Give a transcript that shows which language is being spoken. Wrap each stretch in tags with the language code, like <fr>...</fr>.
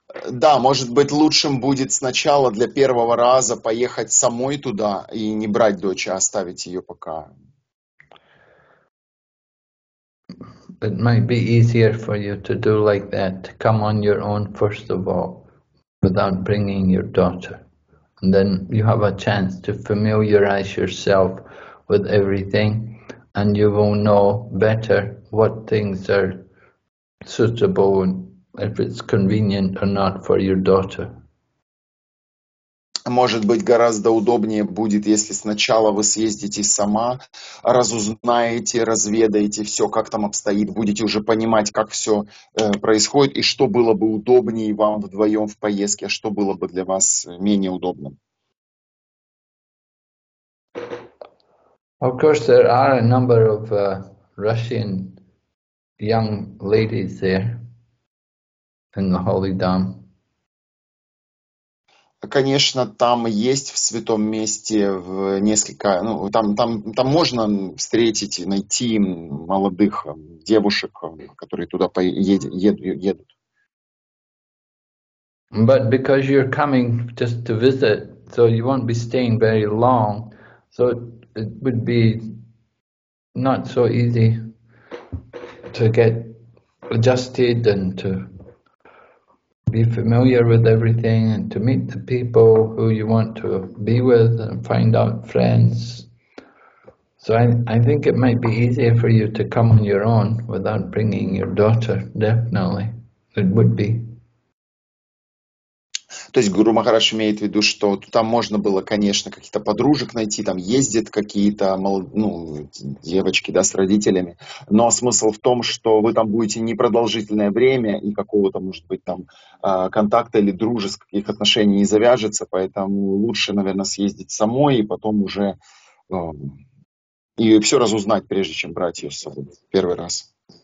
<ru>Да, может быть, лучшим будет сначала для первого раза поехать самой туда и не брать дочь, а оставить ее пока.</ru> <en>It might be easier for you to do like that. Come on your own first of all, without bringing your daughter. And then you have a chance to familiarize yourself with everything. And you will know better what things are suitable, if it's convenient or not for your daughter.</en> <ru>Может быть, гораздо удобнее будет, если сначала вы съездите сама, разузнаете, разведаете все, как там обстоит, будете уже понимать, как все происходит, и что было бы удобнее вам вдвоем в поездке, а что было бы для вас менее удобным.</ru> <en>Of course, there are a number of Russian young ladies there in the Holy Dham.</en> <ru>Конечно, там есть в святом месте в несколько, ну, там можно встретить и найти молодых девушек, которые туда едут.</ru> <en>But because you're coming just to visit, so you won't be staying very long, so it would be not so easy to get adjusted and to be familiar with everything and to meet the people who you want to be with and find out friends. So I think it might be easier for you to come on your own without bringing your daughter, definitely. It would be.</en> <ru>То есть Гуру Махарадж имеет в виду, что там можно было, конечно, каких-то подружек найти, там ездят какие-то девочки, да, с родителями. Но смысл в том, что вы там будете непродолжительное время, и какого-то, может быть, там контакта или дружеских отношений не завяжется, поэтому лучше, наверное, съездить самой и потом уже и все разузнать, прежде чем брать ее с собой первый раз.</ru>